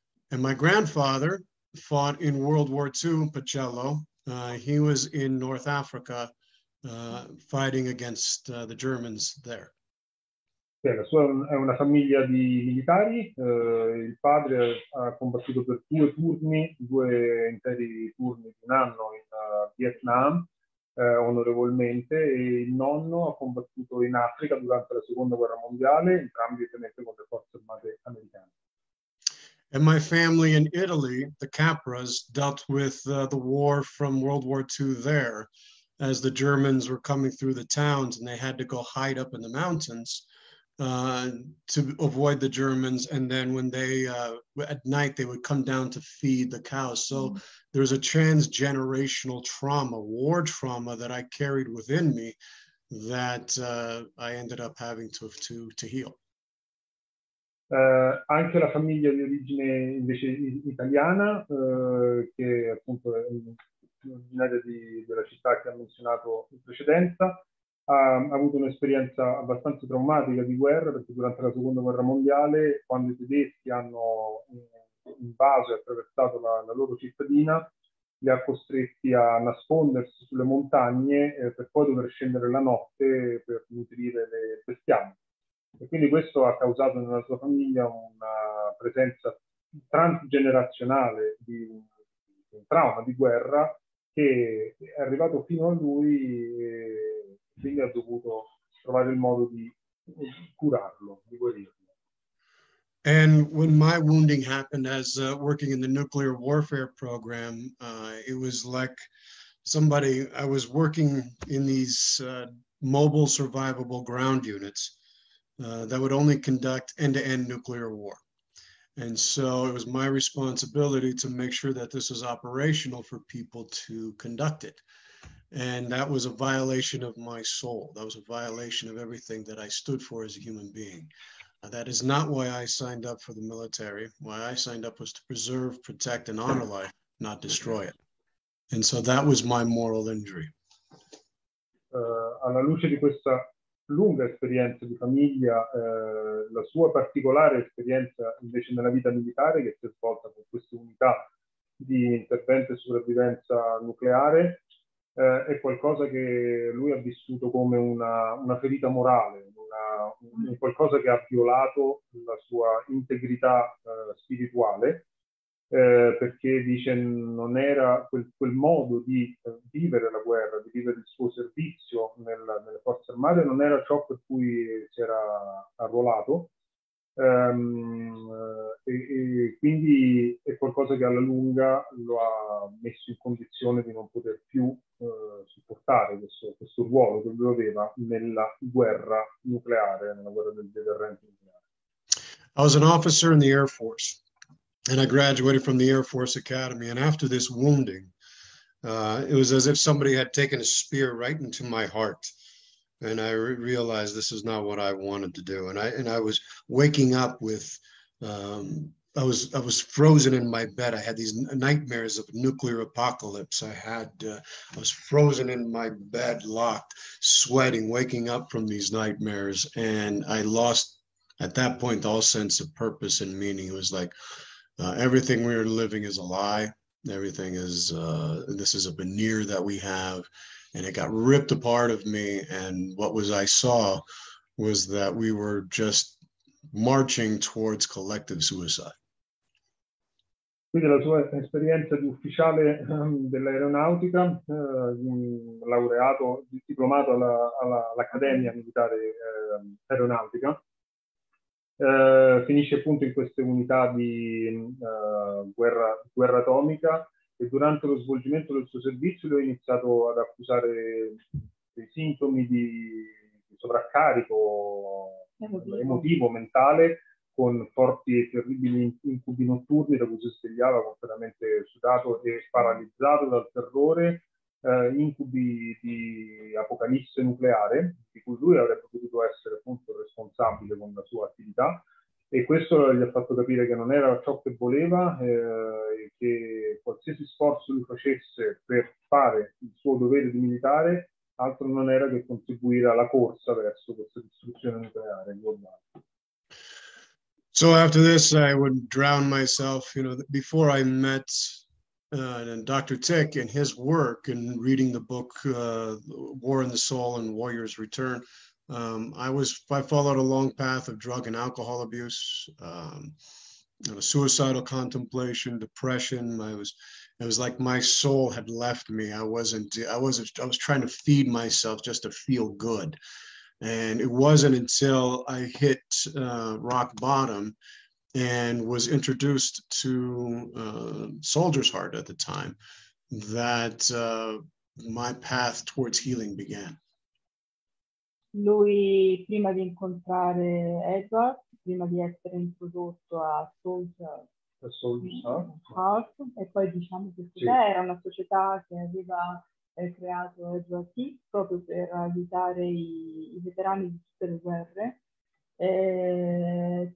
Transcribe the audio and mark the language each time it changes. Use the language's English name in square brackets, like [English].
[English] And my grandfather fought in World War II in Pacello. He was in North Africa fighting against the Germans there. [Italian] La sua è una famiglia di militari, il padre ha combattuto per due turni, due interi turni di un anno in Vietnam, onorevolmente, e il nonno ha combattuto in Africa durante la Seconda Guerra Mondiale, entrambi tenete con le forze armate americane. [English] And my family in Italy, the Capras, dealt with the war from World War II there, as the Germans were coming through the towns and they had to go hide up in the mountains to avoid the Germans, and then when they at night they would come down to feed the cows. So there's a transgenerational trauma, war trauma, that I carried within me that I ended up having to heal. [Italian] Anche la famiglia di origine invece italiana, che appunto è originaria della città che ha menzionato in precedenza, ha avuto un'esperienza abbastanza traumatica di guerra, perché durante la Seconda Guerra Mondiale, quando i tedeschi hanno invaso e attraversato la loro cittadina, li ha costretti a nascondersi sulle montagne per poi dover scendere la notte per nutrire le bestiame. E quindi questo ha causato nella sua famiglia una presenza transgenerazionale di un trauma di guerra che è arrivato fino a lui. Quindi ha dovuto trovare il modo di curarlo, di guarirlo. [English] And when my wounding happened, as working in the nuclear warfare program, it was like somebody, I was working in these mobile survivable ground units that would only conduct end-to-end nuclear war. And so it was my responsibility to make sure that this was operational for people to conduct it. And that was a violation of my soul. That was a violation of everything that I stood for as a human being. That is not why I signed up for the military. Why I signed up was to preserve, protect, and honor life, not destroy it. And so that was my moral injury. [Italian] Alla luce di questa lunga esperienza di famiglia, la sua particolare esperienza invece nella vita militare, che si è svolta con queste unità di intervento e sopravvivenza nucleare, è qualcosa che lui ha vissuto come una ferita morale, un qualcosa che ha violato la sua integrità spirituale, perché dice non era quel modo di vivere la guerra, di vivere il suo servizio nelle forze armate, non era ciò per cui si era arruolato. E quindi è qualcosa che alla lunga lo ha messo in condizione di non poter più supportare questo ruolo che lui aveva nella guerra nucleare, nella guerra del deterrente nucleare. [English] I was an officer in the Air Force, and I graduated from the Air Force Academy, and after this wounding, It was as if somebody had taken a spear right into my heart. And I realized this is not what I wanted to do. And I was waking up with, I was frozen in my bed. I had these nightmares of nuclear apocalypse. I was frozen in my bed, locked, sweating, waking up from these nightmares. And I lost, at that point, all sense of purpose and meaning. It was like, everything we are living is a lie. Everything is, this is a veneer that we have. And it got ripped apart of me. And what was I saw was that we were just marching towards collective suicide. [Italian] Quindi la sua esperienza di ufficiale dell'aeronautica, laureato, diplomato all'Accademia Militare Aeronautica, finisce appunto in queste unità di guerra atomica. E durante lo svolgimento del suo servizio lui ha iniziato ad accusare dei sintomi di sovraccarico emotivo, mentale, con forti e terribili incubi notturni da cui si svegliava completamente sudato e paralizzato dal terrore, incubi di apocalisse nucleare, di cui lui avrebbe potuto essere appunto responsabile con la sua attività. E questo gli ha fatto capire che non era ciò che voleva, e che qualsiasi sforzo lui facesse per fare il suo dovere di militare, altro non era che contribuire alla corsa verso questa distruzione nucleare globale. [English] So after this I would drown myself, you know, before I met Dr. Tick and his work and reading the book War in the Soul and Warrior's Return. I followed a long path of drug and alcohol abuse, suicidal contemplation, depression. It was like my soul had left me. I was trying to feed myself just to feel good. And it wasn't until I hit rock bottom and was introduced to Soldier's Heart at the time that my path towards healing began. [Italian] Lui, prima di incontrare Edward, prima di essere introdotto a Soldier's Heart, e poi diciamo che sì. Era una società che aveva creato Edward T proprio per aiutare i veterani di tutte le guerre.